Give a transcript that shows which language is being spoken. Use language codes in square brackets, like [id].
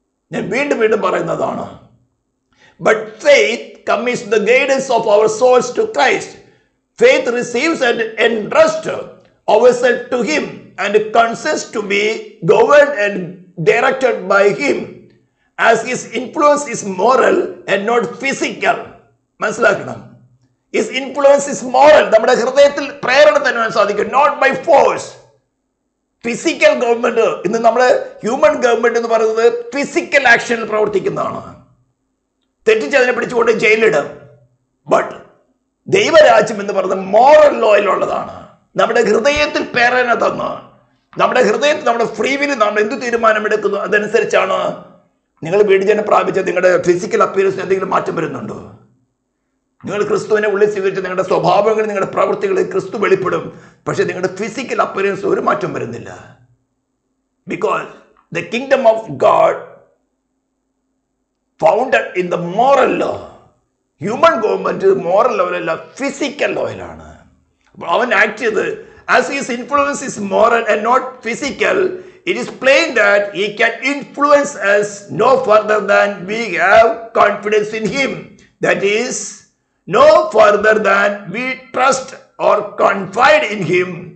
[ml] ഞാൻ വീണ്ടും വീണ്ടും പറയുന്നതാണ്, [en] But faith commits the guidance of our souls to Christ. Faith receives and entrust ourselves to him and consents to be governed and directed by him as his influence is moral and not physical. [ml] മനസ്സിലാക്കണം, [en] His influence is moral. [ml] നമ്മുടെ ഹൃദയത്തിൽ പ്രേരണ തന്നെ സാധിക്കും, [en] Not by force. [ml] Physical government, ഇന്ന് നമ്മൾ human government എന്ന് പറയുന്നത് ഫിസിക്കൽ ആക്ഷനിൽ പ്രവർത്തിക്കുന്നതാണ്. തെറ്റിച്ച് അതിനെ പിടിച്ചുകൊണ്ട് ജയിലിടും. ബട്ട് ദൈവരാജ്യം എന്ന് പറയുന്നത് മോറൽ ലോയിലുള്ളതാണ്. നമ്മുടെ ഹൃദയത്തിൽ പ്രേരണ തന്ന്, നമ്മുടെ ഹൃദയത്തിൽ നമ്മുടെ ഫ്രീവിൽ നമ്മൾ എന്ത് തീരുമാനമെടുക്കുന്നു അതനുസരിച്ചാണ് നിങ്ങൾ വീടുജനം പ്രാപിച്ച നിങ്ങളുടെ ഫിസിക്കൽ അപ്പിയറൻസ് എന്തെങ്കിലും മാറ്റം വരുന്നുണ്ടോ? നിങ്ങൾ ക്രിസ്തുവിനെ ഉള്ളിൽ സ്വീകരിച്ച് നിങ്ങളുടെ സ്വഭാവങ്ങളിൽ നിങ്ങളുടെ പ്രവൃത്തികളിൽ ക്രിസ്തു വെളിപ്പെടും, പക്ഷേ നിങ്ങളുടെ ഫിസിക്കൽ അപ്പിയറൻസ് ഒരു മാറ്റം വരുന്നില്ല. [en] Because the kingdom of God founded in the moral law. [ml] Human government moral ലോയിലല്ല, physical ലോയിലാണ്. അപ്പോൾ അവൻ ആക്ട് ചെയ്ത് [en] As his influence is moral and not physical, it is plain that he can influence us no further than we have confidence in him. That is No further than we trust or confide in him.